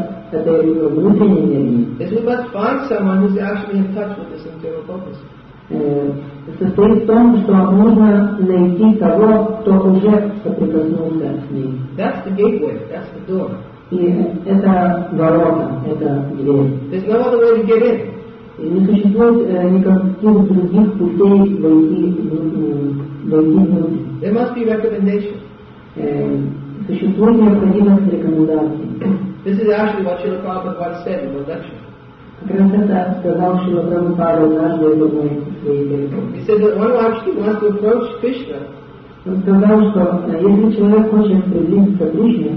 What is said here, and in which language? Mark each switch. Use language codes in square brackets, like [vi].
[ru] этой внутренней энергии. [en] Is we must find someone who's actually in touch with this internal focus. [ru] Состоит в том, что нужно найти того, кто уже соприкоснулся с ней. [en] That's the gateway, that's the door. [ru] И это ворота, это дверь. [en] There's no other way to get in. [ru] И не существует никаких других путей войти внутрь. [en] There must be recommendation. [ru] Существует необходимость рекомендации. [en] This is actually what Srila Prabhupada once said in one lecture. He said that when one actually wants to approach Krishna, [ru] он сказал, что если человек хочет приблизиться к Кришне,